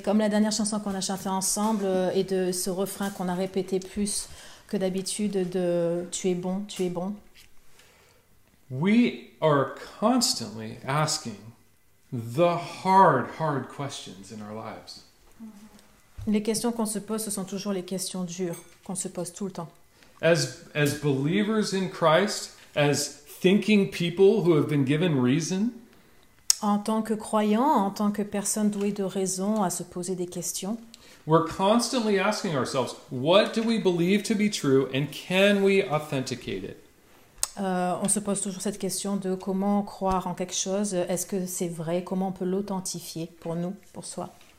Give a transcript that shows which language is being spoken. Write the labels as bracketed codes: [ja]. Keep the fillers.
[fr] comme la dernière chanson qu'on a chantée ensemble et de ce refrain qu'on a répété plus que d'habitude de tu es bon, tu es bon. [en] We are constantly asking the hard, hard questions in our lives. [fr] Les questions qu'on se pose, sont toujours les questions dures qu'on se pose tout le temps. [en] As, as believers in Christ, as thinking people who have been given reason, [fr] en tant que croyants, en tant que personnes douées de raison à se poser des questions, [en] we're constantly asking ourselves, what do we believe to be true and can we authenticate it? [fr] Euh, on se pose toujours cette question de comment croire en quelque chose, est-ce que c'est vrai, comment on peut l'authentifier pour nous, pour soi.